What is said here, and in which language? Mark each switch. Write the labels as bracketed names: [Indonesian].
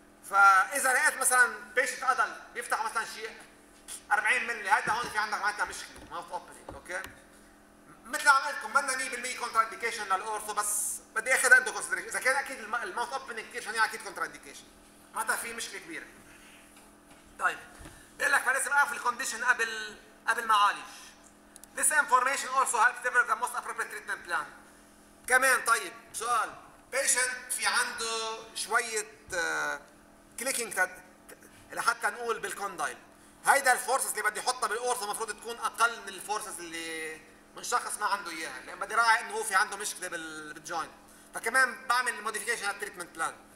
[Arabic] فاذا لقيت مثلا بيشنت ادل بيفتح مثلا شيء 40 ملم، هذا هون في عندك معناتها مشكله ماوث اوبننج. اوكي، مثل ما قلت لكم بدنا 100% كونترا انديكيشن للاورثو، بس بدي اخذها انتو كونسيدريشن. اذا كان اكيد الماوث اوبننج كثير شنيع اكيد كونترا انديكيشن، معناتها في مشكله كبيره. طيب بقول لك فلازم اقف الكونديشن قبل ما اعالج. [English] This information also helps develop the most appropriate treatment plan. [Arabic] كمان طيب سؤال، بيشنت في عنده شويه كليكينج لحتى نقول بالكوندايل، هيدا الفورسز اللي بدي احطها بالاورثو المفروض تكون اقل من الفورسز اللي من شخص ما عنده اياها، لان بدي راعي انه هو في عنده مشكله بالجوين، فكمان بعمل موديفيكيشن على التريتمنت بلان.